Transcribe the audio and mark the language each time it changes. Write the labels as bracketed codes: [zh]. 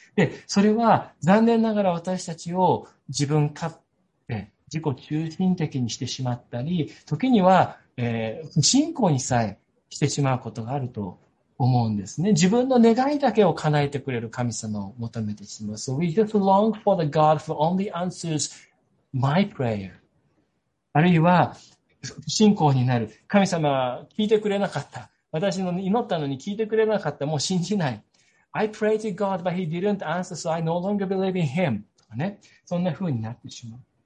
[ja] で、それは残念ながら私たちを自分勝手、自己中心的にしてしまったり、時には、不信仰にさえしてしまうことがあると思うんですね。自分の願いだけを叶えてくれる神様を求めてしまう。 [en] So we just long for the God who only answers my prayer. [ja] あるいは、不信仰になる。神様、聞いてくれなかった。私の祈ったのに聞いてくれなかった。もう信じない。 [en] I pray to God, but he didn't answer, so I no longer believe in him. [ja] とかね。そんな風になってしまう。